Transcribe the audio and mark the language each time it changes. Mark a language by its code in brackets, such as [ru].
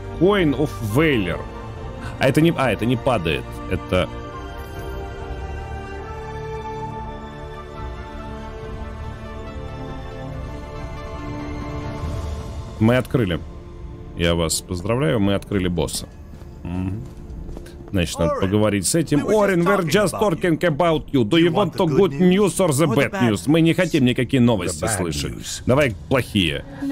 [ru] Coin of Valor. Это не падает. Это... Мы открыли. Я вас поздравляю, мы открыли босса. Значит, надо поговорить с этим. [en] Орин, we're just talking about you. Do you want the good news or the bad news? [ru] Мы не хотим никакие новости слышать. Давай плохие.